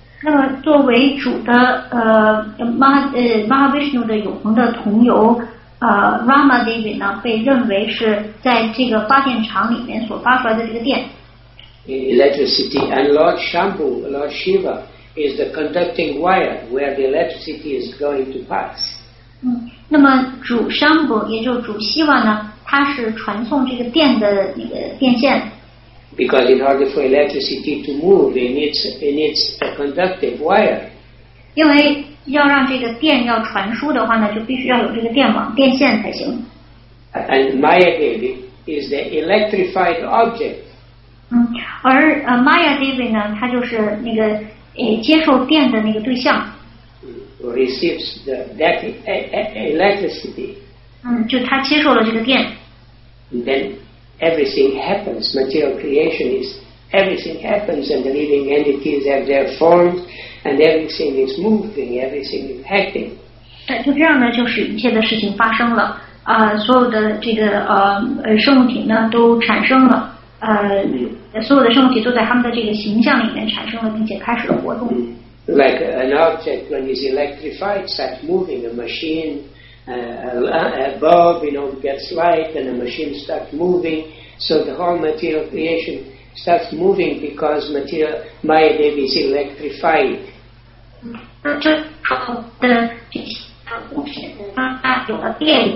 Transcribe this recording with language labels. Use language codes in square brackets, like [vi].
[zh] 那么作为主的Mahavishnu 的永恒的同游Ramadevi 呢被认为是在这个发电厂里面所发出来的这个电。 [en] Electricity and Lord Shambhu, Lord Shiva. Is the conducting wire where the electricity is going to pass? [zh] 那么主商布也就是主希瓦呢，它是传送这个电的那个电线。 [en] Because in order for electricity to move, it needs a conducting wire. [zh] 因为要让这个电要传输的话呢，就必须要有这个电网、电线才行。 [en] And Maya Devi is the electrified object. [zh] 而Maya Devi 呢，它就是那个。接受电的那个对象 [en] receives that electricity. [zh] 就他接受了这个电。 [en] Then everything happens. Material creation is everything happens, and the living entities have their forms, and everything is moving, everything is acting. [zh] 就这样呢，就是一切的事情发生了。所有的这个生物体呢，都产生了。所有的生物体都在他们的这个形象里面产生了，并且开始了活动。 [en] Like an object when it's electrified, starts moving. A machine, a bulb, you know, gets light, and a machine starts moving. So the whole material creation starts moving because material Maya Devi is electrified. [zh] 就好的这些物品，它有了电。